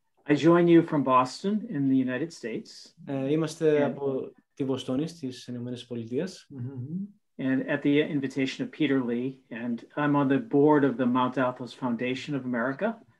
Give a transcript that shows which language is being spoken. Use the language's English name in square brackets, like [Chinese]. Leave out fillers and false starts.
[English] I join you from Boston in the United States. [Greek] Είμαστε από τη Βοστόνη στις Ηνωμένες Πολιτείες. [English] And at the invitation of Peter Lee, and I'm on the board of the Mount Athos Foundation of America.